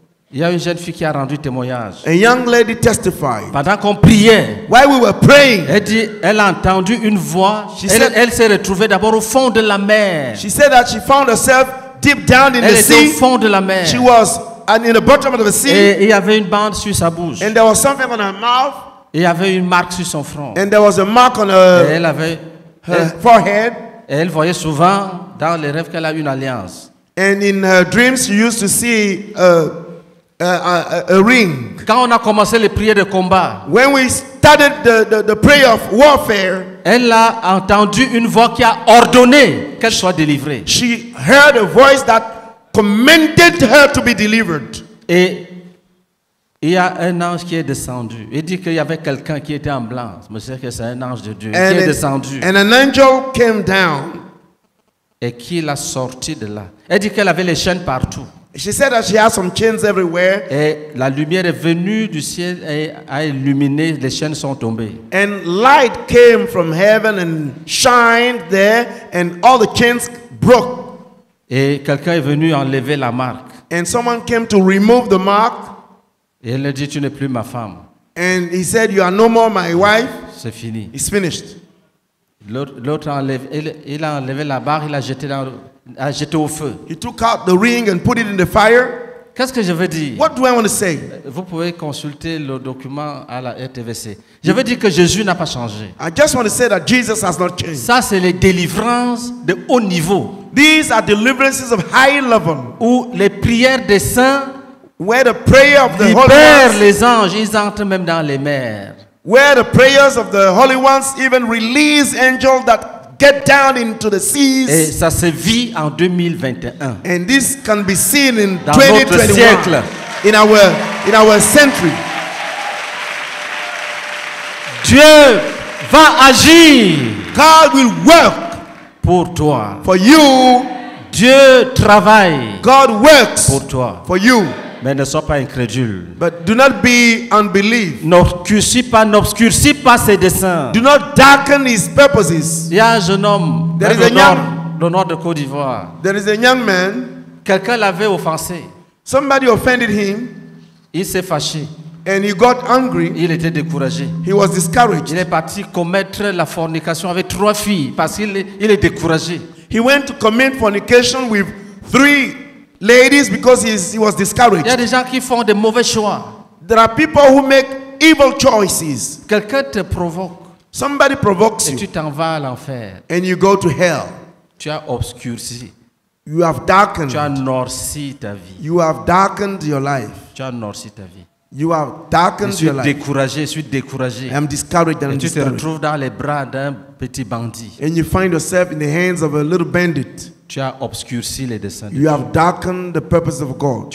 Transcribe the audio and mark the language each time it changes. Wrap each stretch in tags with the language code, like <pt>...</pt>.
<fr>Il y a une jeune fille qui a rendu témoignage.</fr> <en>A young lady testified.</en> <fr>Pendant qu'on priait,</fr> <en>while we were praying,</en> <fr>elle dit, elle a entendu une voix. Elle s'est retrouvée d'abord au fond de la mer.</fr> <en>She said that she found herself deep down in</en> <fr>elle</fr> <en>the sea.</en> <fr>Elle était au fond de la mer.</fr> <en>She was in the bottom of the sea.</en> <fr>Et il y avait une bande sur sa bouche.</fr> <en>And there was something on her mouth.</en> <fr>Et il y avait une marque sur son front.</fr> <en>And there was a mark on her.</en> <fr>Et elle avait</fr> <en>her forehead.</en> <fr>Et elle voyait souvent dans les rêves qu'elle a une alliance.</fr> <en>And in her dreams, she used to see a ring.</en> <fr>Quand on a commencé les prières de combat,</fr> <en>when we started the prayer of warfare,</en> <fr>elle a entendu une voix qui a ordonné qu'elle soit délivrée.</fr> <en>She heard a voice that commanded her to be delivered.</en> <fr>Et il y a un ange qui est descendu. Il dit qu'il y avait quelqu'un qui était en blanc. Mais c'est que c'est un ange de Dieu qui est descendu.</fr> <en>And an angel came down.</en> <fr>Et qui l'a sorti de là. Elle dit qu'elle avait les chaînes partout.</fr> <en>She said that she has some chains everywhere.</en> <fr>Et la lumière est venue du ciel et a illuminé, les chaînes sont tombées.</fr> <en>And light came from heaven and shined there and all the chains broke.</en> <fr>Et quelqu'un est venu enlever la marque.</fr> <en>And someone came to remove the mark.</en> <fr>Et elle dit, tu n'es plus ma femme.</fr> <en>And he said, you are no more my wife.</en> <fr>C'est fini.</fr> <en>It's finished.</en> <fr>L'autre enlève, il a enlevé la barre, il l'a jeté au feu.</fr> <en>He took out the ring and put it in the fire.</en> <fr>Qu'est-ce que je veux dire?</fr> <en>What do I want to say?</en> <fr>Vous pouvez consulter le document à la RTVC. Je veux dire que Jésus n'a pas changé.</fr> <en>I just want to say that Jesus has not changed.</en> <fr>Ça, c'est les délivrances de haut niveau.</fr> <en>These are deliverances of high level.</en> <fr>Où les prières des saints</fr> <en>where the prayer of the holy</en> <fr>libèrent les anges, ils entrent même dans les mers.</fr> <en>Where the prayers of the holy ones even release angels that get down into the seas.</en> <fr>Et ça se vit en 2021.</fr> <en>And this can be seen in</en> <fr>dans</fr> <en>2021.</en> <fr>Notre siècle.</fr> <en>In our century.</en> <fr>Dieu va agir.</fr> <en>God will work</en> <fr>pour toi.</fr> <en>For you.</en> <fr>Dieu travaille.</fr> <en>God works</en> <fr>pour toi.</fr> <en>For you.</en> <fr>Mais ne sois pas incrédule.</fr> <en>But do not be unbelieved.</en> <fr>N'obscurcis pas ses desseins.</fr> <en>Do not darken his purposes.</en> <fr>Il y a un jeune homme.</fr> <en>There is a</en> <fr>nord de Côte d'Ivoire.</fr> <en>There is a young man.</en> <fr>Quelqu'un l'avait offensé.</fr> <en>Somebody offended him.</en> <fr>Il s'est fâché.</fr> <en>And he got angry.</en> <fr>Il était découragé.</fr> <en>He was discouraged.</en> <fr>Il est parti commettre la fornication avec trois filles parce qu'il est découragé.</fr> <en>He went to commit fornication with three ladies, because he was discouraged.</en> <fr>Il y a des gens qui font des mauvais choix.</fr> <en>There are people who make evil choices.</en> <fr>Quelqu'un te provoque.</fr> <en>Somebody provokes you.</en> <fr>Et tu t'en vas à l'enfer.</fr> <en>And you go to hell.</en> <fr>Tu as obscurci.</fr> <en>You have darkened.</en> <fr>Tu as noirci ta vie.</fr> <en>You have darkened your life.</en> <fr>Tu as noirci ta vie.</fr> <en>You have darkened your life.</en> <fr>Je suis découragé.</fr> <en>I'm discouraged.</en> <fr>Et tu te retrouves dans les bras d'un petit bandit.</fr> <en>And you find yourself in the hands of a little bandit.</en> <fr>Tu as obscurci les desseins de</fr> <en>Dieu. You have darkened the purpose of God.</en>